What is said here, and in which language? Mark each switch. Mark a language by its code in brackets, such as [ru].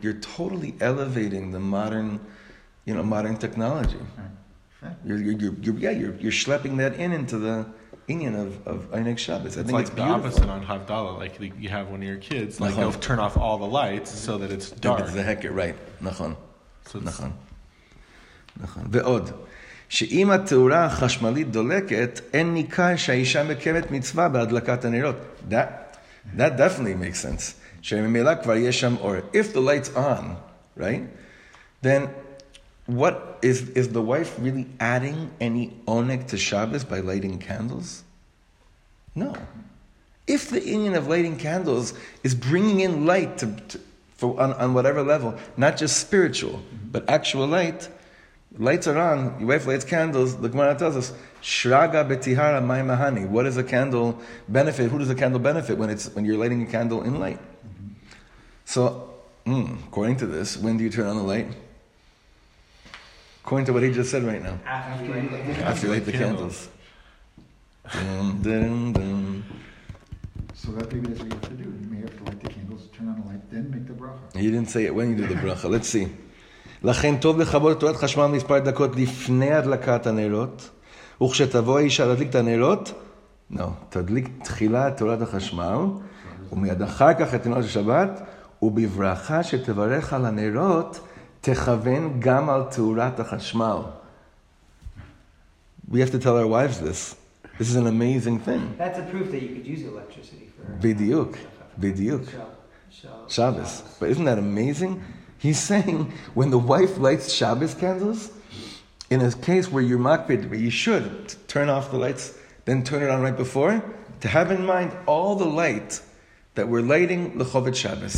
[en] You're totally elevating the modern, you know, modern technology. You're schlepping that into the inyan of Einik Shabbos. I think it's like beautiful. The opposite on Havdalah. Like you have one of your kids, like you'll turn off all the lights so that it's dark. It's the hacker, right? [he] Nachon. Nachon. Ve'od. שאם התאורה החשמלית דולקת, אין ניכר שהאישה מקיימת מצווה בהדלקת הנרות. [en] That definitely makes sense. [he] שממילא כבר יש שם אור. [en] If the light's on, right? Then, what is the wife really adding any onek to Shabbos by lighting candles? No. If the inyan of lighting candles is bringing in light on whatever level, not just spiritual, but actual light, lights are on, your wife lights candles, the Gemara tells us, [arc] Shraga betihara mai mahani. [en] What does a candle benefit? Who does a candle benefit when you're lighting a candle in light? So, according to this, when do you turn on the light? According to what he just said right now. After you light the candles. Dun, dun, dun. So that maybe that's what you have to do. You may have to light the candles, turn on the light, then make the bracha. He didn't say it when you do the bracha. Let's see. [he] לכן טוב לחבור תורת חשמל מספר דקות לפני הדלקת הנרות, וכשתבוא האישה להדליק את הנרות, לא, תדליק תחילה תורת החשמל, ומיד אחר כך את נרות השבת, ובברכה שתברך על הנרות, תכוון גם על תורת החשמל. [en] We have to tell our wives this. This is an amazing thing. That's a proof that you could use electricity for... [he] בדיוק, בדיוק. Shabbos. [en] But isn't that amazing? He's saying, when the wife lights Shabbos candles, in a case where you're makpid, where you should turn off the lights, then turn it on right before, to have in mind all the light that we're lighting lechovet Shabbos.